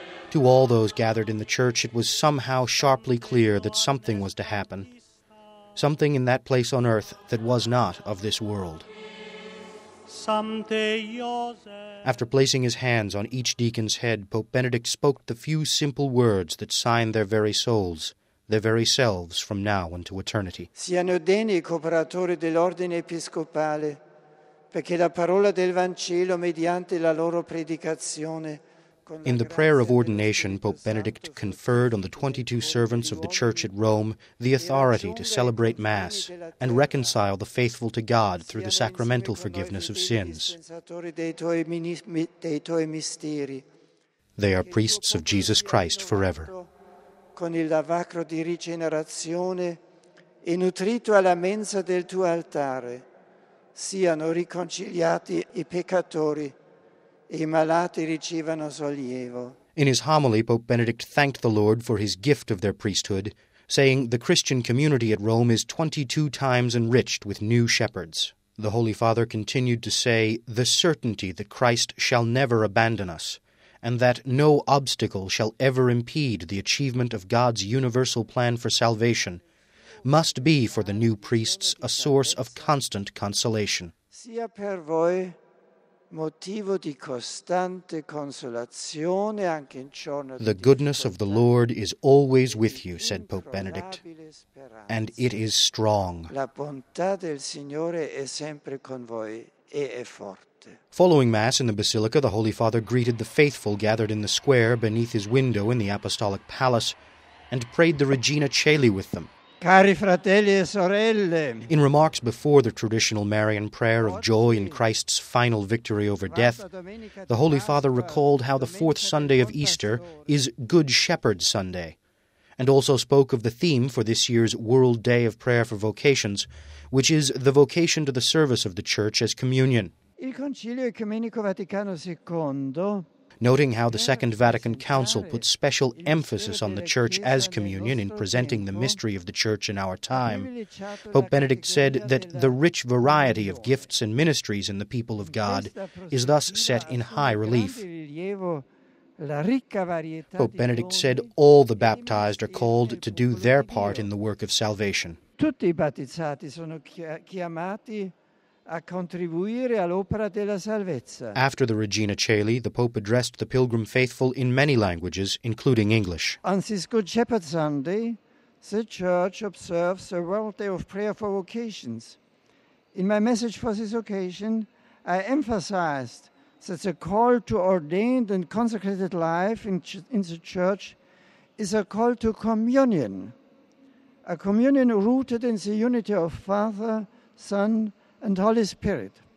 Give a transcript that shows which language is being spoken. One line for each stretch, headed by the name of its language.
English: To all those gathered in the church, it was somehow sharply clear that something was to happen, something in that place on earth that was not of this world. After placing his hands on each deacon's head, Pope Benedict spoke the few simple words that signed their very souls, their very selves, from now unto eternity.
Italian: Siano degni cooperatori dell'ordine episcopale, perché la parola del Vangelo mediante la loro predicazione.
English: In the prayer of ordination, Pope Benedict conferred on the 22 servants of the Church at Rome the authority to celebrate Mass and reconcile the faithful to God through the sacramental forgiveness of sins. They are priests of Jesus Christ forever.
Italian: Con il lavacro di rigenerazione e nutrito alla mensa del tuo altare, siano riconciliati i peccatori.
English: In his homily, Pope Benedict thanked the Lord for his gift of their priesthood, saying the Christian community at Rome is 22 times enriched with new shepherds. The Holy Father continued to say, the certainty that Christ shall never abandon us, and that no obstacle shall ever impede the achievement of God's universal plan for salvation, must be for the new priests a source of constant consolation.
Italian: Sia per voi motivo di costante consolazione anche in giorno.
English: The goodness of the Lord is always with you, said Pope Benedict, and it is strong.
Italian: La bontà del Signore è sempre con voi e è forte.
English: Following Mass in the Basilica, the Holy Father greeted the faithful gathered in the square beneath his window in the Apostolic Palace and prayed the Regina Caeli with them.
Italian: Cari fratelli e sorelle,
English: in remarks before the traditional Marian prayer of joy in Christ's final victory over death, the Holy Father recalled how the fourth Sunday of Easter is Good Shepherd Sunday, and also spoke of the theme for this year's World Day of Prayer for Vocations, which is the vocation to the service of the Church as communion.
Italian: Il Concilio Ecumenico Vaticano II,
English: noting how the Second Vatican Council put special emphasis on the Church as communion in presenting the mystery of the Church in our time, Pope Benedict said that the rich variety of gifts and ministries in the people of God is thus set in high relief. Pope Benedict said all the baptized are called to do their part in the work of salvation.
Italian: Tutti i battezzati sono chiamati a contribuire all'opera della salvezza.
English: After the Regina Caeli, the Pope addressed the pilgrim faithful in many languages, including English. On this Good Shepherd Sunday, the Church observes a World Day of Prayer for Vocations. In my message for this occasion, I emphasized that the call to ordained and consecrated life in the Church is a call to communion, a communion rooted in the unity of Father, Son, and Holy Spirit.